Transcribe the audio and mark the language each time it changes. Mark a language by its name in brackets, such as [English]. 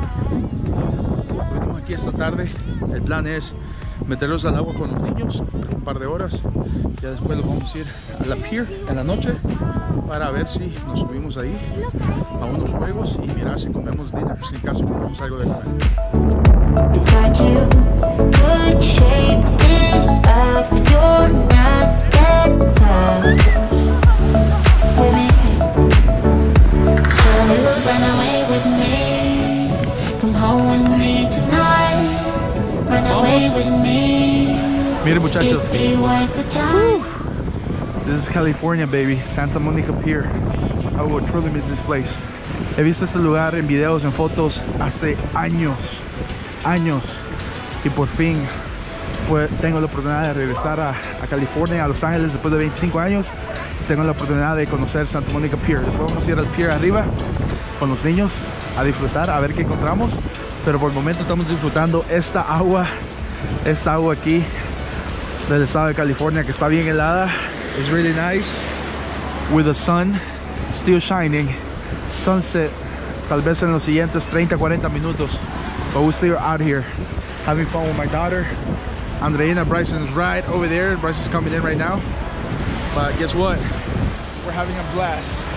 [Spanish] Venimos aquí esta tarde. El plan es meterlos al agua con los niños un par de horas. Ya después los vamos a ir a la pier en la noche para ver si nos subimos ahí a unos juegos y mirar si comemos dinner. Si en caso comemos algo de la tarde. [English] It's like you could shake this off, but you're not that tough. Baby, so run away with me. Come home with me tonight. Run away with me. [Spanish] Mire, muchachos. [English] It'd be worth the time. This is California, baby. Santa Monica Pier. I will truly miss this place. [Spanish] He visto este lugar en videos, en fotos, hace años. Años. Y por fin, pues, tengo la oportunidad de regresar a California, a Los Ángeles, después de 25 años. Tengo la oportunidad de conocer Santa Monica Pier. Después vamos a ir al pier arriba con los niños a disfrutar, a ver qué encontramos. Pero por el momento estamos disfrutando esta agua aquí del estado de California, que está bien helada. [English] It's really nice, with the sun still shining, sunset, [Spanish] tal vez en los siguientes 30, 40 minutos, [English] but we're still out here, having fun with my daughter, Andreina. Bryson is right over there, Bryson's coming in right now, but guess what, we're having a blast.